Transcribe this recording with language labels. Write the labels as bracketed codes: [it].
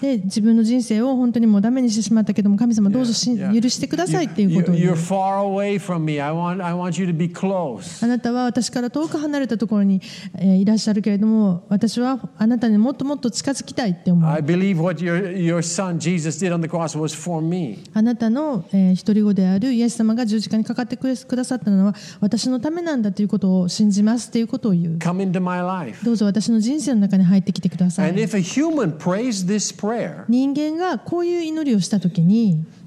[ja] で自分の人生を本当にもうダメにしてしまったけども神様どうぞ許してくださいっていうこと。 [en] You're far away from me. I want you to be close. [ja] あなたは私から遠く離れたところにいらっしゃるけれども、私はあなたにもっともっと近づきたいって思う。 [en] I believe what your son Jesus did on the cross was for me. [ja] あなたの独り子であるイエス様が十字架にかかってくださったのは私のためなんだということを信じますということを言う。 [en] Come into my life. [ja] どうぞ私の人生の中に入ってきてください。 [en] And if a human prays this prayer, [ja] 人間がこういう祈りをしたときに、